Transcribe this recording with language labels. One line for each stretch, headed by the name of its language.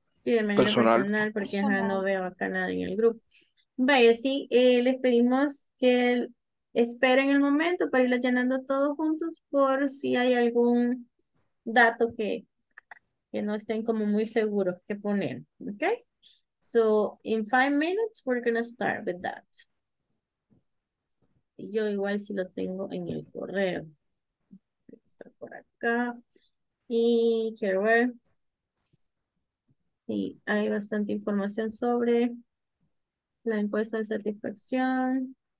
Spanish: Sí, de manera personal, personal porque personal. Ya no veo acá nada en el grupo. Vaya, sí, les pedimos que esperen el momento para ir llenando todos juntos por si hay algún dato que no estén como muy seguros que poner. Ok.
English: So, in 5 minutes, we're going to start with that.
Spanish: Yo igual si lo tengo en el correo. Está por acá. Y quiero ver. Sí, hay bastante información sobre la encuesta de satisfacción.